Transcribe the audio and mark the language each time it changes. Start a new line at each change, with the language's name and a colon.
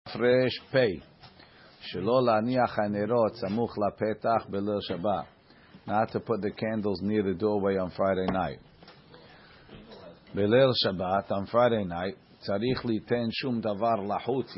Hebrew: פרש פי שלא להניח הנרות סמוך לפתח בליל שבת.
English: Not to put the candles near the doorway on Friday night.
Hebrew: בליל שבת,
English: on Friday night,
Hebrew: צריך ליתן שום דבר לחוץ.